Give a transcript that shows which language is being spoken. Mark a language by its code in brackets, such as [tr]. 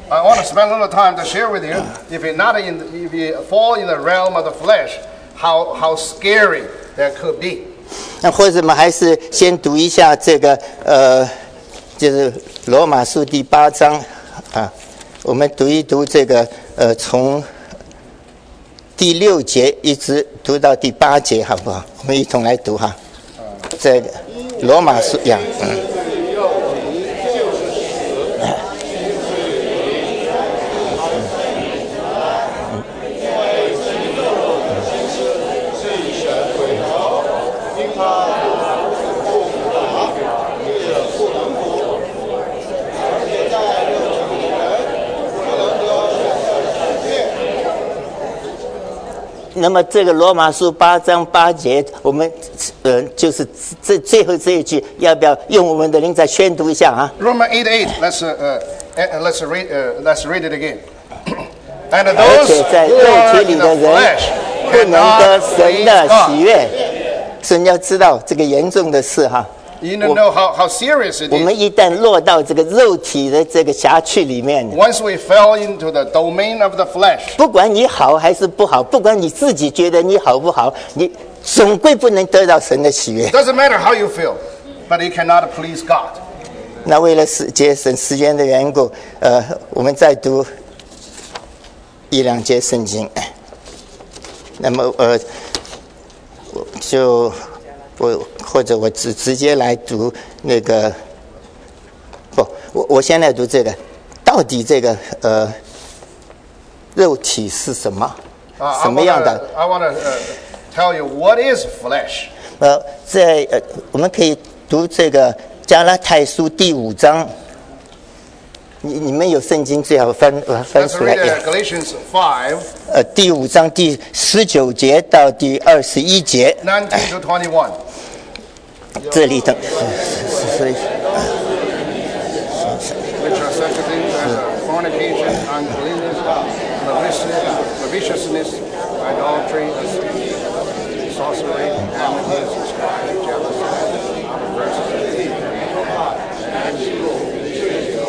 [en] I want to spend a little time to share with you, if you not in, if you fall in the realm of the flesh, how scary that could be. [zh] 那或者我们还是先读一下这个就是罗马书第八章啊。我们读一读这个从第六节一直读到第八节好不好，我们一同来读哈。这个罗马书呀。那么这个罗马书八章八节，我们就是这最后这一句，要不要用我们的灵再宣读一下啊？ [en] Romans 8:8, let's read it again. And those who are in the flesh cannot please God. [zh] 所以要知道这个严重的事哈。 [en] You don't know how serious it is. [zh] 我们一旦落到这个肉体的这个辖区里面， [en] Once we fell into the domain of the flesh, [zh] 不管你好还是不好，不管你自己觉得你好不好，你总归不能得到神的喜悦。 [en] Doesn't matter how you feel, but you cannot please God. [zh] 那为了节省时间的缘故，我们再读一两节圣经。那么我就或者我直接来读那个，不，我先来读这个，到底这个肉体是什么？什么样的 [en] ？I want to tell you what is flesh. [zh] 我们可以读这个加拉太书第五章。你们有圣经最好翻出来。 [en] Galatians 5. [zh] 第五章第十九节到第二十一节。 [en] 19 to 21. [zh] 这里的 [en] which are such things as fornication, uncleanness, maliciousness, idolatry, sorcery, enmity, strife, jealousy, perversity, and